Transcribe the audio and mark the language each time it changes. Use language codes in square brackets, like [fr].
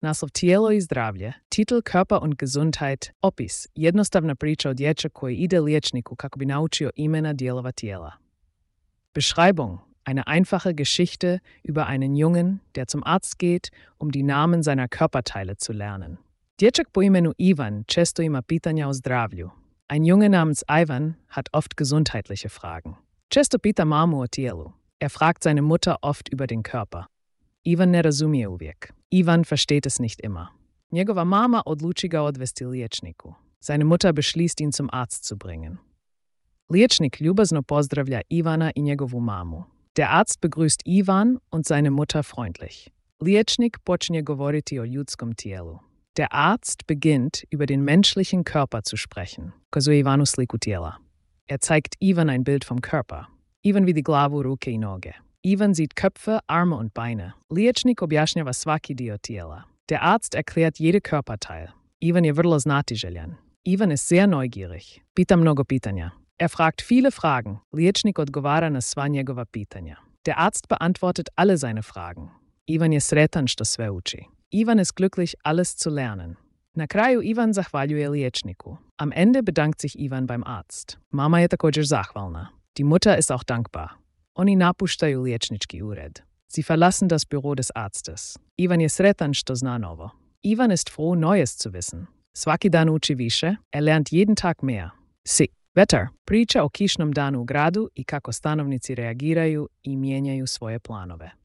[hr] Naslov Tijelo i zdravlje, [de] titel Körper und Gesundheit, [hr] opis, jednostavna priča o dječaku koji ide liječniku kako bi naučio imena dijelova tijela. [de] Beschreibung, eine einfache Geschichte über einen Jungen, der zum Arzt geht, um die Namen seiner Körperteile zu lernen. [hr] Dječak po imenu Ivan često ima pitanja o zdravlju. [de] Ein Junge namens Ivan hat oft gesundheitliche Fragen. [hr] Često pita mamu o tijelu. [de] Er fragt seine Mutter oft über den Körper. [hr] Ivan ne razumije uvijek. [de] Ivan versteht es nicht immer. [hr] Njegova mama odluči ga odvesti liječniku. [de] Seine Mutter beschließt, ihn zum Arzt zu bringen. [hr] Liječnik ljubazno pozdravlja Ivana i njegovu mamu. [de] Der Arzt begrüßt Ivan und seine Mutter freundlich. [hr] Liječnik počinje govoriti o ljudskom tijelu. [de] Der Arzt beginnt, über den menschlichen Körper zu sprechen. [hr] Kazuje Ivanu sliku tijela. [de] Er zeigt Ivan ein Bild vom Körper. [hr] Ivan vidi glavu, ruke i noge. [de] Ivan sieht Köpfe, Arme und Beine. [hr] Liječnik objašnjava svaki dio tijela. [de] Der Arzt erklärt jede Körperteil. [hr] Ivan je vrlo znatiželjan. [de] Ivan ist sehr neugierig. [hr] Pita mnogo pitanja. [de] Er fragt viele Fragen. [hr] Liječnik odgovara na sva njegova pitanja. [de] Der Arzt beantwortet alle seine Fragen. [hr] Ivan je sretan što sve uči. [de] Ivan ist glücklich, alles zu lernen. [hr] Na kraju Ivan zahvaljuje liječniku. [de] Am Ende bedankt sich Ivan beim Arzt. [hr] Mama je također zahvalna. [de] Die Mutter ist auch dankbar. [hr] Oni napuštaju liječnički ured. [de] Sie verlassen das Büro des Arztes. [hr] Ivan je sretan što zna novo. [de] Ivan ist froh, Neues zu wissen. [hr] Svaki dan uči više, [de] er lernt jeden Tag mehr. Si. Wetter. [hr] Priča o kišnom danu u gradu i kako stanovnici reagiraju i mijenjaju svoje planove.